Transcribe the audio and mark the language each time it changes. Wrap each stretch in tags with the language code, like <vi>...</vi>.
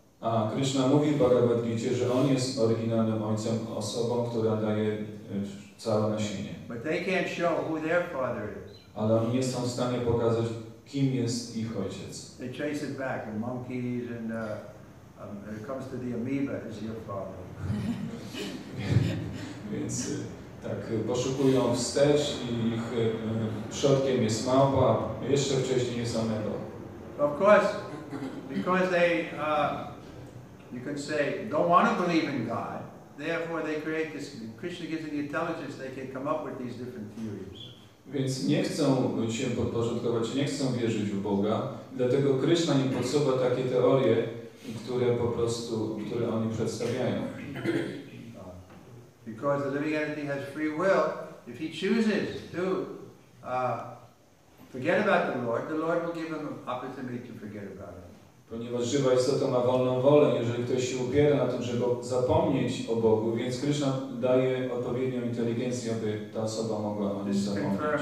<pl>A Krishna mówi w Bhagavad Gita, że on jest oryginalnym ojcem, osobą, która daje całe nasienie.</pl> <en>But they can't show who their father is.</en> <pl>Ale oni nie są w stanie pokazać, kim jest ich ojciec.</pl> <en>They chase it back, and monkeys, and when it comes to the amoeba, is your father.</en> <pl>Więc tak, poszukują wstecz i ich przodkiem jest małpa, jeszcze wcześniej jest amoeba.</pl> <en>Of course, because they, you can say, don't want to believe in God, therefore they create this, Krishna gives them the intelligence, they can come up with these different theories.</en> <pl>Więc nie chcą się podporządkować, nie chcą wierzyć w Boga, dlatego Krishna im podsuwa takie teorie, które po prostu, które oni przedstawiają.</pl> <en>Because the living entity has free will, if he chooses to forget about the Lord will give him an opportunity to forget about it.</en> <pl>Ponieważ żywa istota ma wolną wolę, jeżeli ktoś się upiera na tym, żeby zapomnieć o Bogu, więc Krishna daje odpowiednią inteligencję, aby ta osoba mogła o nim zapomnieć.</pl>